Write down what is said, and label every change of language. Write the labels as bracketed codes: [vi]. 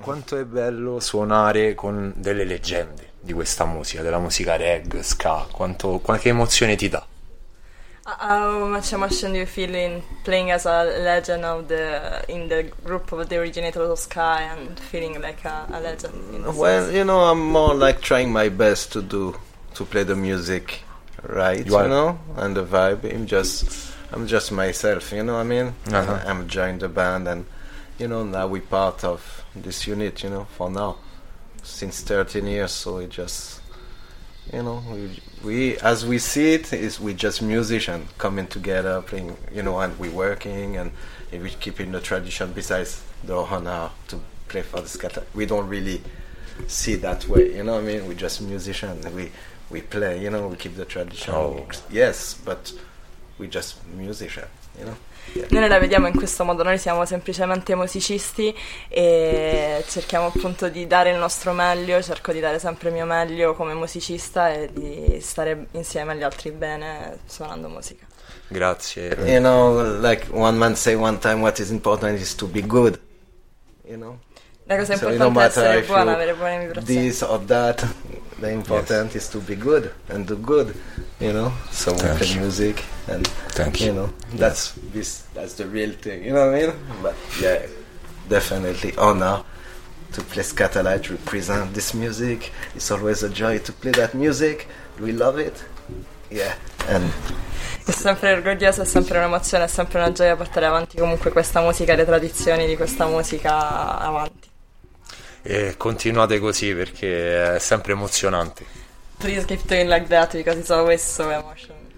[it] quanto è bello suonare con delle leggende di questa musica, della musica reggae, ska, quanto emozione ti dà? [en] How much emotion do you feel in playing as a legend of the in the group of the originators of ska and feeling like a legend? Well, you know, I'm more like trying my best to play the music right, you know, and the vibe, I'm just myself, you know what I mean? Uh-huh. I'm joined the band and, you know, now we're part of this unit, you know, for now. Since 13 years, so it just, you know, we're just musicians coming together, playing, you know, and we're working and we're keeping the tradition besides the honor to play for the scatter. We don't really see that way, you know what I mean? We're just musicians. We play, you know, we keep the tradition. Oh. Yes, but we just musician, you know? [it] Noi la vediamo in questo modo, noi siamo semplicemente musicisti e cerchiamo appunto di dare il nostro meglio, cerco di dare sempre il mio meglio come musicista e di stare insieme agli altri bene suonando musica. Grazie. [en] You know, like one man say one time, what is important is to be good, you know? [it] La cosa importante è essere buona, avere buone vibrazioni. [en] This or that, the important is to be good and do good. You know, so with the music and thank you. You know, that's that's the real thing, you know what I mean? But yeah, definitely honor to play Scada Lights, represent this music. It's always a joy to play that music. We love it. Yeah. And [it] è sempre orgoglioso, è sempre un'emozione, è sempre una gioia portare avanti comunque questa musica, le tradizioni di questa musica avanti. continuate così perché è sempre emozionante. [en] Please keep doing like that because it's always so emotional.